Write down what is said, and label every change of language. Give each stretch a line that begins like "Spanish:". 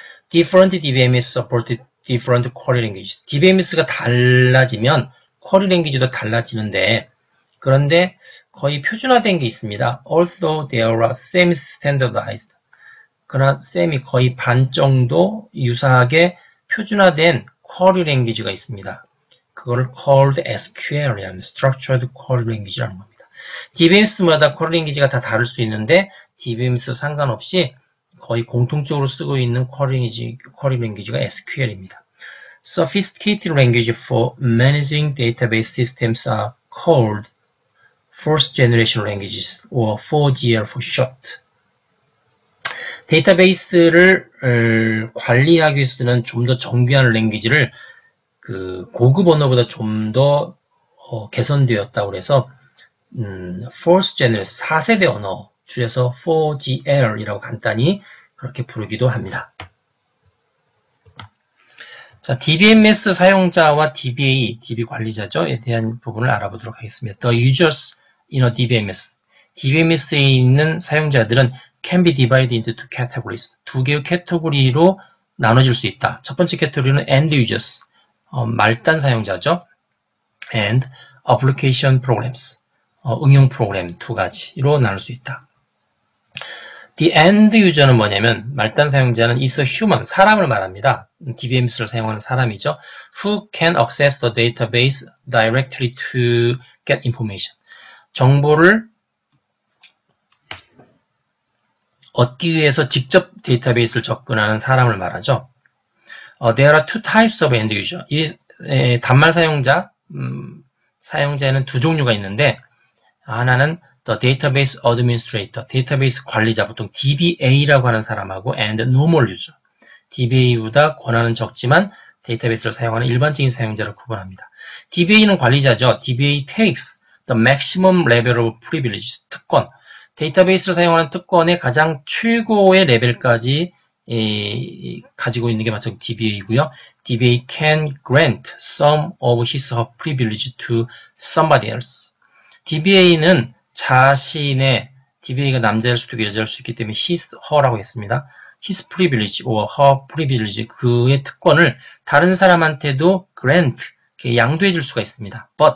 English: Different DBMS support different query languages.
Korean: DBMS가 달라지면 쿼리 랭귀지도 달라지는데 그런데 거의 표준화된 게 있습니다.
English: Although there are semi-standardized.
Korean: 그러나 semi 거의 반 정도 유사하게 표준화된 쿼리 랭귀지가 있습니다. 그걸
English: called
Korean: SQL이라는 structured query language라는 겁니다. DBMS마다 query language가 다 다를 수 있는데 DBMS 상관없이 거의 공통적으로 쓰고 있는 query language가 SQL입니다.
English: Sophisticated language for managing database systems are called first generation languages or 4GL for short.
Korean: 데이터베이스를 관리하기 위해서 쓰는 좀 더 정교한 랭귀지를 고급 언어보다 좀 더 개선되었다고 해서 4th generation 4세대 언어 줄여서 4GL이라고 간단히 그렇게 부르기도 합니다. 자, DBMS 사용자와 DBA, DB 관리자죠에 대한 부분을 알아보도록 하겠습니다.
English: The users in a DBMS.
Korean: DBMS에 있는 사용자들은
English: can be divided into two categories.
Korean: 두 개의 카테고리로 나눠질 수 있다. 첫 번째 카테고리는
English: end users.
Korean: 말단 사용자죠.
English: And application programs,
Korean: 응용 프로그램 두 가지로 나눌 수 있다.
English: The end user
Korean: 는 뭐냐면 말단 사용자는
English: is a human,
Korean: 사람을 말합니다. DBMS를 사용하는 사람이죠.
English: Who can access the database directly to get information.
Korean: 정보를 얻기 위해서 직접 데이터베이스를 접근하는 사람을 말하죠.
English: There are two types of end user.
Korean: 단말 사용자, 사용자에는 두 종류가 있는데 하나는
English: the database administrator,
Korean: 데이터베이스 관리자, 보통 DBA라고 하는 사람하고
English: and normal user.
Korean: DBA보다 권한은 적지만 데이터베이스를 사용하는 일반적인 사용자를 구분합니다. DBA는 관리자죠.
English: DBA takes the maximum level of privileges, 특권.
Korean: 데이터베이스를 사용하는 특권의 가장 최고의 레벨까지 가지고 있는 게 마치 DBA이고요.
English: DBA can grant some of his or her privilege to somebody else.
Korean: DBA는 자신의 DBA가 남자일 수도 있고 여자일 수 있기 때문에 his, her라고 했습니다.
English: His privilege or her privilege
Korean: 그의 특권을 다른 사람한테도 grant 양도해 줄 수가 있습니다.